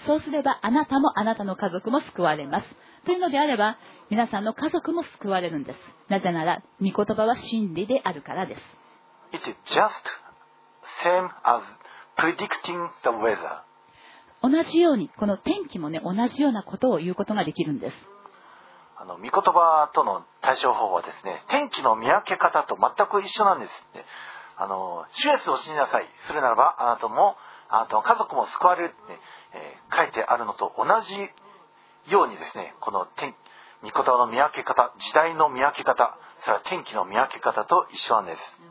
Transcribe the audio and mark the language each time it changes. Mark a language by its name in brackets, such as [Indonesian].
[Japanese] そうすればあなたもあなたの家族も救われます。というのであれば、皆さんの家族も救われるんです。なぜなら、御言葉は真理であるからです。 [English] It is just same as predicting the weather. [Japanese] 同じようにこの天気もね同じようなことを言うことができるんです。あの御言葉との対処方法はですね天気の見分け方と全く一緒なんですって。あの主イエスを信じなさいするならばあなたもあなたの家族も救われるって、書いてあるのと同じようにですねこの天御言葉の見分け方時代の見分け方それは天気の見分け方と一緒なんです。